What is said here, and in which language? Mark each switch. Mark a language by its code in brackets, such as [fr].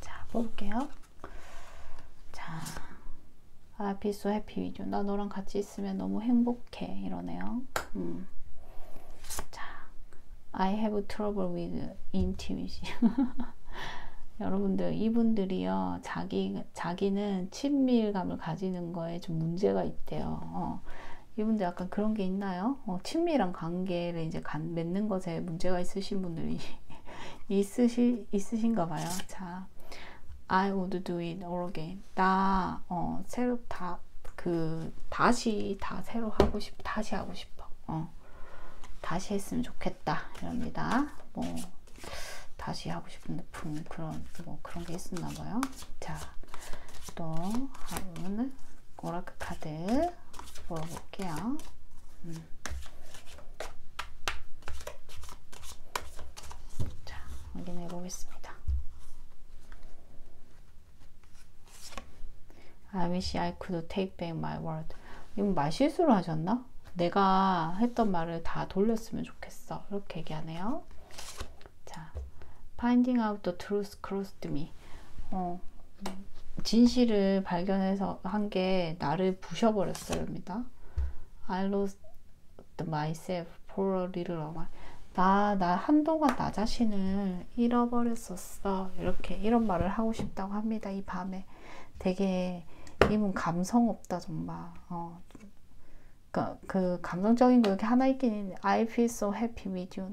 [ko] 볼게요. 아, [en] 비쏘 해피 위주. [ko] 나 너랑 같이 있으면 너무 행복해. 이러네요. [en] I have trouble with intimacy. [ko] 여러분들, 이분들이요. 자기는 친밀감을 가지는 거에 좀 문제가 있대요. 이분들 약간 그런 게 있나요? 친밀한 관계를 이제 맺는 것에 문제가 있으신 분들이 있으신가 봐요. [en] 자. I would do it all again. [ko] 나, 새로 다, 그, 다시, 다 새로 하고 싶, 다시 하고 싶어. 다시 했으면 좋겠다. 이럽니다. 뭐, 다시 하고 싶은데, 그런 게 있었나 봐요. 자, 또, 하루는, 오라클 카드 뽑아볼게요. 자, 확인해 보겠습니다. [en] I wish I could take back my word. [ko] 이건 말 실수를 하셨나? 내가 했던 말을 다 돌렸으면 좋겠어. 이렇게 얘기하네요. [en] 자, finding out the truth crossed me. [ko] 진실을 발견해서 한 게 나를 부셔버렸습니다. [en] I lost myself for a little while. [ko] 나 한동안 나 자신을 잃어버렸었어. 이렇게 이런 말을 하고 싶다고 합니다. 이 밤에 되게 이분 감성 없다 정말. 그 감성적인 거 이렇게 하나 있긴 있는데, [en] I feel so happy with you.